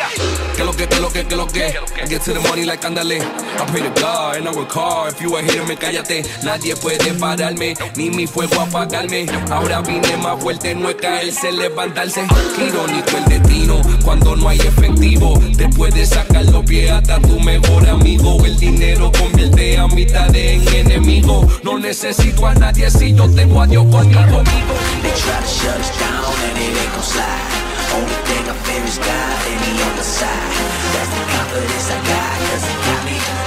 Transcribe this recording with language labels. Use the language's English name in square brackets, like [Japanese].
[English] I get to the money like andale. I pray to God and I work hard. If you are here, [Spanish] me callate. Nadie puede pararme, ni mi fuego apagarme. Ahora vine más fuerte, no es caerse, levantarse. Irónico el destino cuando no hay efectivo. Te puedes sacar los pies hasta tu mejor amigo. El dinero convierte a mitad en enemigo. No necesito a nadie si yo tengo a Dios conmigo. [English] They try to shut us down and it ain't gonna slide. Only thing I fear is God in the other side. That's the confidence I got, 'cause it got me.